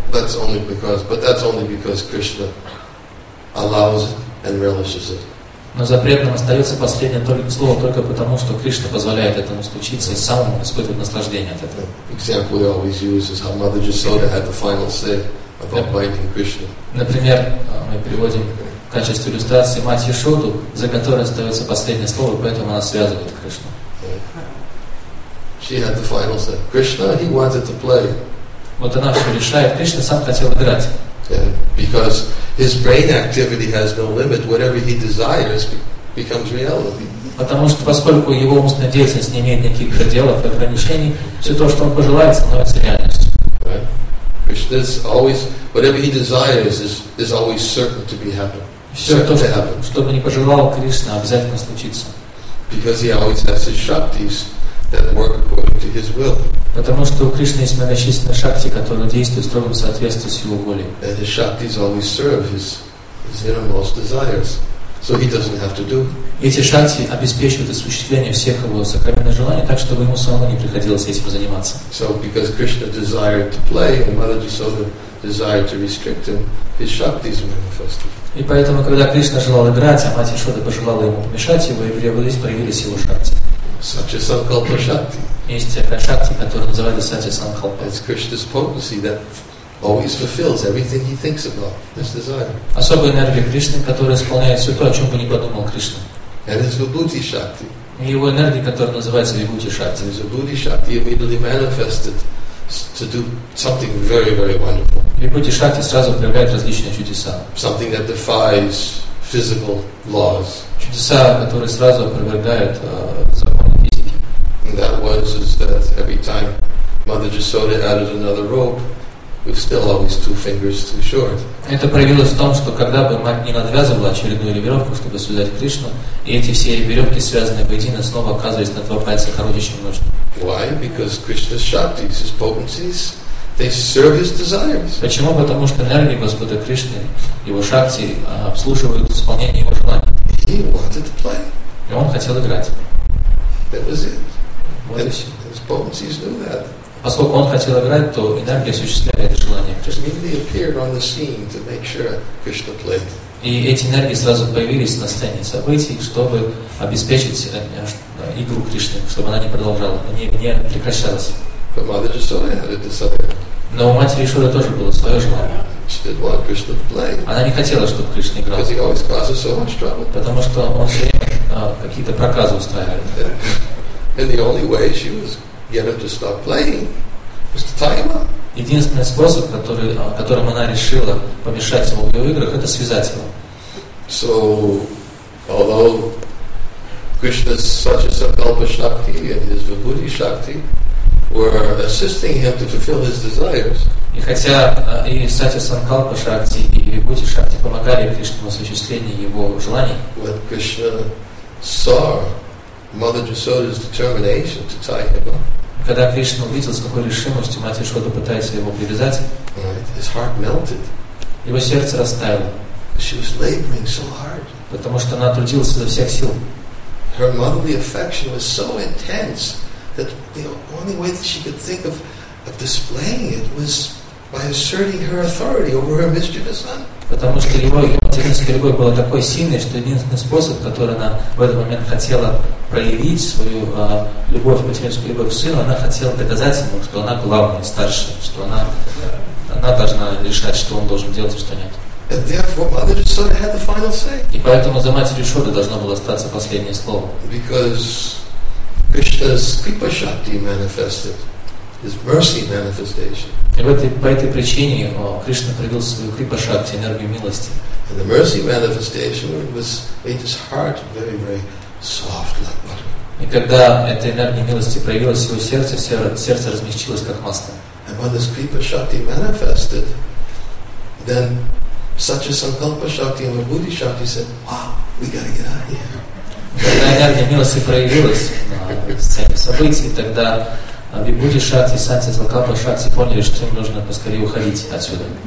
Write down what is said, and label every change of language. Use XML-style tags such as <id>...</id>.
<en>That's only because Krishna allows it. and relishes it.</en> <ru>Но запретным остается последнее только слово только потому, что Кришна позволяет этому случиться и сам испытывает наслаждение от этого.</ru> <en>Example we always use is how Mother Jasoda had the final say about biting Krishna.</en> <ru>Например, мы приводим в качестве иллюстрации мать Яшоду, за которой остается последнее слово, поэтому она связывает Кришну.</ru> <en>She had the final say. Krishna, he wanted to play.</en> <ru>Вот она все решает. Кришна сам хотел играть.</ru> <en>Because his brain activity has no limit. Whatever he desires becomes reality.</en> <ru>Потому что поскольку его умственная деятельность не имеет никаких пределов и ограничений, все то, что он пожелает, становится реальностью.</ru> <en>Krishna is always whatever he desires is always certain to be happen.</en> <ru>Все то, что бы ни пожелал Кришна, обязательно случится.</ru> <en>Because he always has his shaktis that work according to his will.</en> <ru>Потому что у Кришны есть многочисленные шакти, которые действуют в строгом соответствии с его волей.</ru> <en>And his shaktis always serve his innermost desires. So he doesn't have to do.</en> <ru>Эти шакти обеспечивают осуществление всех его сокровенных желаний, так чтобы ему самому не приходилось этим заниматься.</ru> <en>So because Krishna desired to play and Mother Jasoda desired to restrict him, his shaktis manifested.</en> <ru>И поэтому, когда Кришна желал играть, а мать Яшода пожелала ему помешать, его и появились его шакти.</ru> <en>Such as sankalpa shakti.</en> <ru>Есть такая шакти, которая называется сати санкалпа.</ru> <en>It's Krishna's potency that always fulfills everything he thinks about, his desire.</en> <ru>Особая энергия Кришны, которая исполняет все то, о чем бы ни подумал Кришна.</ru> <en>And it's vibhuti shakti.</en> <ru>И его энергия, которая называется vibhuti shakti.</ru> <en>His vibhuti shakti immediately manifested to do something very, very wonderful.</en> <ru>Vibhuti shakti сразу проявляет различные чудеса.</ru> <en>Something that defies physical laws.</en> <ru>Чудеса, которые сразу опровергают законы физики.</ru> <en>And that was is that every time Mother Jasoda added another rope, we still always two fingers too short.</en> <ru>Это проявилось в том, что когда бы мать не надвязывала очередную ревировку, чтобы связать Кришну, и эти все ревировки, связанные воедино, снова оказывались на два пальца короче, чем нужно.</ru> <en>Why? Because Krishna's shaktis, his potencies, they serve his desires.</en> <ru>Почему? Потому что энергии Господа Кришны, его шакти, обслуживают исполнение его желаний.</ru> <en>He wanted to play.</en> <ru>И он хотел играть.</ru> <en>That was it.</en> <ru>Вот и все.</ru> <en>His potencies knew that.</en> <ru>Поскольку он хотел играть, то энергия осуществляет это желание.</ru> <en>Immediately appeared on the scene to make sure Krishna played.</en> <ru>И эти энергии сразу появились на сцене событий, чтобы обеспечить игру Кришны, чтобы она не продолжала, не прекращалась.</ru> <en>But Mother Jasoda had a desire.</en> <ru>Но у матери Яшоды тоже было свое желание.</ru> <en>She didn't want Krishna to play.</en> <ru>Она не хотела, чтобы Кришна играл.</ru> <en>Because he always causes so much trouble.</en> <ru>Потому что он все время какие-то проказы устраивает.</ru> <en>And the only way she was get him to stop playing was to tie him up.</en> <ru>Единственный способ, которым она решила помешать ему в его играх, это связать его.</ru> <en>So, although Krishna such as sankalpa shakti and his vibhuti shakti were assisting him to fulfill his desires.</en> <ru>И хотя и сати санкалпа шакти и вибхути шакти помогали Кришне в осуществлении его желаний.</ru> <en>When Krishna saw Mother Jasoda's determination to tie him up.</en> <ru>Когда Кришна увидел, с какой решимостью мать Яшода пытается его привязать,</ru> <en>his heart melted.</en> <ru>Его сердце растаяло.</ru> <en>She was laboring so hard.</en> <ru>Потому что она трудилась изо всех сил.</ru> <en>Her motherly affection was so intense that the only way that she could think of displaying it was by asserting her authority over her mischievous son.</en> <ru>Потому что его материнская любовь была такой сильной, что единственный способ, который она в этот момент хотела проявить свою любовь, материнскую любовь к сыну, она хотела доказать ему, что она главная, старшая, что она должна решать, что он должен делать и что нет.</ru> <en>And therefore, Mother Jasoda had the final say.</en> <ru>И поэтому за матерью Шоды должно было остаться последнее слово.</ru> <en>Because Krishna's kripa shakti manifested, his mercy manifestation.</en> <ru>И по этой причине Кришна проявил свою крипа шакти, энергию милости.</ru> <en>And the mercy manifestation was made his heart very, very soft like butter.</en> <ru>И когда эта энергия милости проявилась в его сердце, сердце размягчилось как масло.</ru> <en>And when this kripa shakti manifested, then such as sankalpa shakti and vibhuti shakti said, "Wow, we gotta get out of here."</en> <ru>Когда энергия милости проявилась на сцене событий, тогда Вибхути Шакти и Сати Санкалпа Шакти поняли, что им нужно поскорее уходить отсюда.</ru>